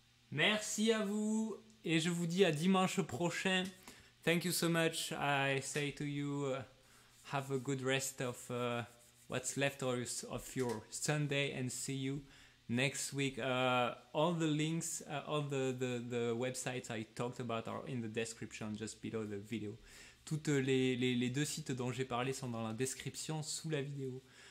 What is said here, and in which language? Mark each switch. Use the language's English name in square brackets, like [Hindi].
[French] Merci à vous et je vous dis à dimanche prochain. [English] Thank you so much. I say to you, have a good rest of what's left of your Sunday and see you next week. All the links, all the websites I talked about are in the description just below the video. [French] Toutes les deux sites dont j'ai parlé sont dans la description sous la vidéo.